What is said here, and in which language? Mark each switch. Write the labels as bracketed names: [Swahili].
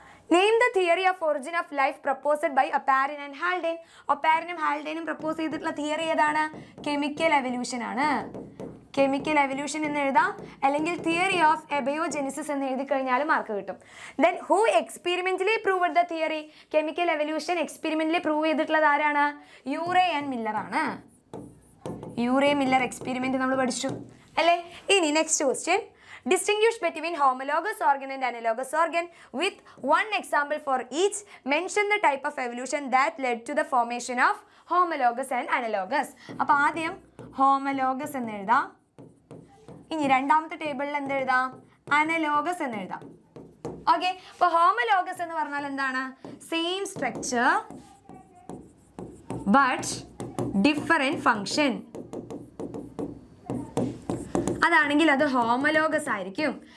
[English] name the theory of origin of life proposed by Oparin and Haldane [Malayalam] അപ്പാരനും ഹാൽഡേനും propose ചെയ്തിട്ടുള്ള theory ഏതാണ് chemical evolution ആണ് chemical evolution എന്ന് എഴുതാം അല്ലെങ്കിൽ തിയറി ഓഫ് എബയോജെനിസിസ് എന്ന് എഴുതിക്കഴിഞ്ഞാലും മാർക്ക് കിട്ടും [English] then who experimentally proved the theory [Malayalam] chemical evolution experimentally prove ചെയ്തിട്ടുള്ളത് ആരാണ് യൂറെ ആൻഡ് മില്ലർ ആണ് യൂറെ മില്ലർ എക്സ്പെരിമെൻ്റ് നമ്മൾ പഠിച്ചു അല്ലേ ഇനി next question [English] Distinguish between homologous organ and analogous organ with one example for each. Mention the type of evolution that led to the formation of homologous and analogous. [Malayalam] അപ്പോൾ ആദ്യം homologous എന്ന് എഴുതാം ഇനി രണ്ടാമത്തെ ടേബിളിൽ എന്ത് എഴുതാം? അനലോഗസ് എന്ന് എഴുതാം. ഓക്കെ, അപ്പൊ ഹോമലോഗസ് എന്ന് പറഞ്ഞാൽ എന്താണ്? [English] same structure but different function, [Malayalam] അതാണെങ്കിൽ അത് ഹോമലോഗസ് ആയിരിക്കും.